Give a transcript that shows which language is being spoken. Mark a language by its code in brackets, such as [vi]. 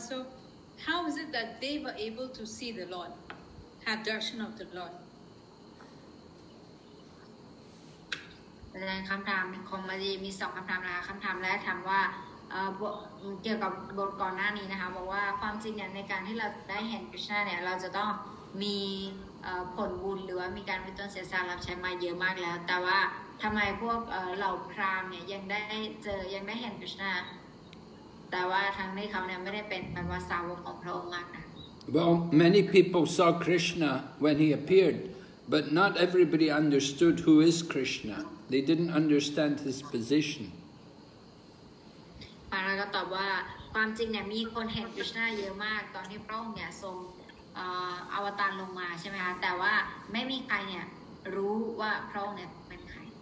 [en] So how is it that they were able to see the Lord, have darshan of the Lord? [th] แล้วคำถามของมาดีมีสองคำถามนะคะคำถามแรกถามว่าเกี่ยวกับบทก่อนหน้านี้นะคะบอกว่าความจริงเนี่ยในการที่เราได้เห็นคริสต์เนี่ยเราจะต้องมีผลบุญหรือว่ามีการเป็นต้นเสียสละรับใช้มาเยอะมากแล้วแต่ว่าทำไมพวกเหล่าพราหมณ์เนี่ยยังได้เจอยังไม่เห็นคริสต์นาแต่ว่าทั้งที่เขาเนี่ยไม่ได้เป็นบรรดาสาวกของพระองค์มากนะ [en] Well many people saw Krishna when he appeared but not everybody understood who is Krishna they didn't understand his position [th] มาราก็ตอบว่าความจริงเนี่ยมีคนเห็นคริสต์นาเยอะมากตอนที่พระองค์เนี่ยทรงอวตารลงมาใช่ไหมคะแต่ว่าไม่มีใครเนี่ยรู้ว่าพระองค์เนี่ยเป็นใคร